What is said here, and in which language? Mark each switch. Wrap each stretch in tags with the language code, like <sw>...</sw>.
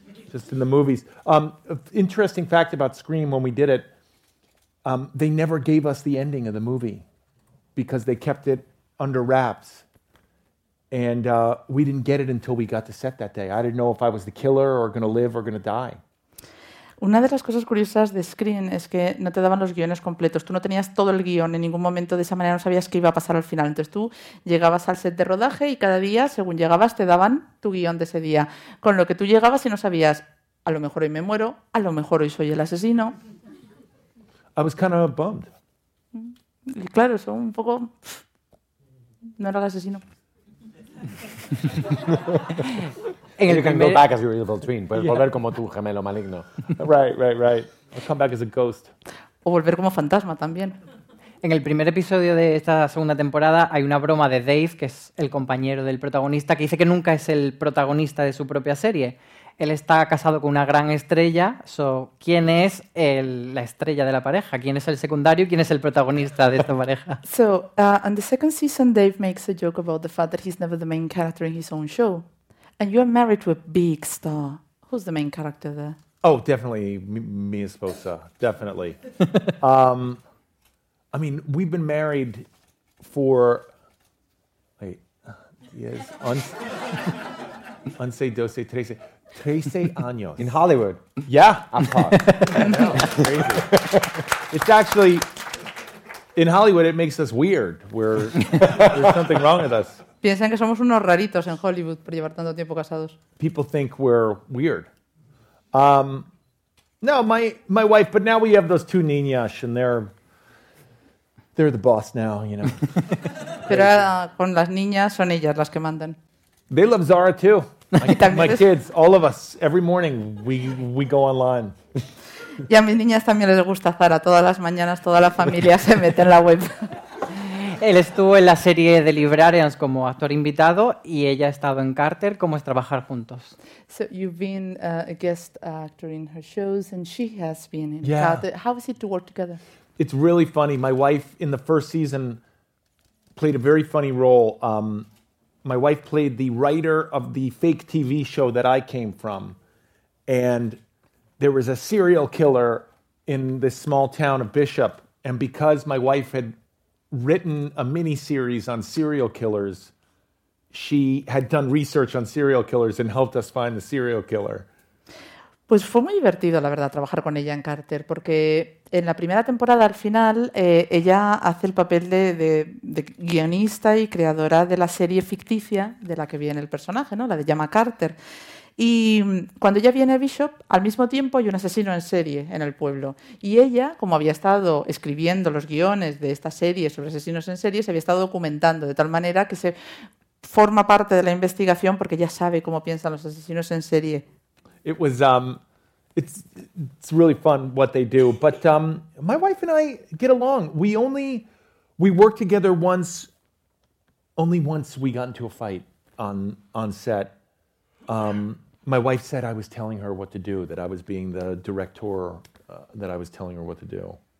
<en>Just in the movies. Interesting fact about Scream, when we did it, they never gave us the ending of the movie. Because they kept it under wraps. And we didn't get it until we got to set that day. I didn't know if I was the killer or going to live or going to die.</en> <es>Una de las cosas curiosas de Scream es que no te daban los guiones completos. Tú no tenías todo el guión en ningún momento. De esa manera no sabías qué iba a pasar al final. Entonces tú llegabas al set de rodaje y cada día, según llegabas, te daban tu guión de ese día. Con lo que tú llegabas y no sabías, a lo mejor hoy me muero, a lo mejor hoy soy el asesino.</es> <en>I was kind of bummed.</en> <es>Y claro, son un poco... No era el asesino. En el</es> <en>you can</en> <es>primer...</es> <en>go back as your evil twin.</en> <es>Puedes</es> <en>yeah.</en> <es>volver como tu gemelo maligno.</es> <en>Right, right, right. I'll come back as a ghost.</en> <es>O volver como fantasma también. En el primer episodio de esta segunda temporada hay una broma de Dave, que es el compañero del protagonista, que dice que nunca es el protagonista de su propia serie. Él está casado con una gran estrella. So, ¿quién es la estrella de la pareja? ¿Quién es el secundario? ¿Quién es el protagonista de esta pareja?</es> <en>So, on the second season, Dave makes a joke about the fact that he's never the main character in his own show. And you're married to a big star. Who's the main character there? Oh, definitely Mia Sosa. Definitely. I mean, we've been married for... Wait. Yes.</en> <es>Once, dos, tres... 13 años.</es> <en>In Hollywood. Yeah. I'm hot. I know. It's crazy. It's actually, in Hollywood, it makes us weird. We're, there's something wrong with us.</en> <es>Piensan que somos unos raritos en Hollywood por llevar tanto tiempo casados.</es> <en>People think we're weird. No, my wife, but now we have those two niñas, and they're the boss now, you know.</en> <es>Pero ahora con las niñas son ellas las que mandan.</es> <en>They love Zara, too. My kids, all of us, every morning we go online.</en> <es>Y a mis niñas también les gusta Zara. Todas las mañanas toda la familia se mete en la web. Él estuvo en la serie de Librarians como actor invitado y ella ha estado en Carter. ¿Cómo es trabajar juntos?</es> <en>So you've been a guest actor in her shows and she has been in yeah. Carter. How is it to work together? It's really funny. My wife in the first season played a very funny role. My wife played the writer of the fake TV show that I came from. And there was a serial killer in this small town of Bishop. And because my wife had written a miniseries on serial killers, she had done research on serial killers and helped us find the serial killer.</en> <es>Pues fue muy divertido, la verdad, trabajar con ella en Carter, porque en la primera temporada, al final, ella hace el papel de guionista y creadora de la serie ficticia de la que viene el personaje, ¿no? La de Llama Carter. Y cuando ella viene a Bishop, al mismo tiempo hay un asesino en serie en el pueblo. Y ella, como había estado escribiendo los guiones de esta serie sobre asesinos en serie, se había estado documentando de tal manera que se forma parte de la investigación porque ya sabe cómo piensan los asesinos en serie.</es> <en>It was it's really fun what they do, but my wife and I get along. We worked together once. Only once we got into a fight on set. My wife said I was telling her what to do, that I was being the director, that I was telling her what to do.</en>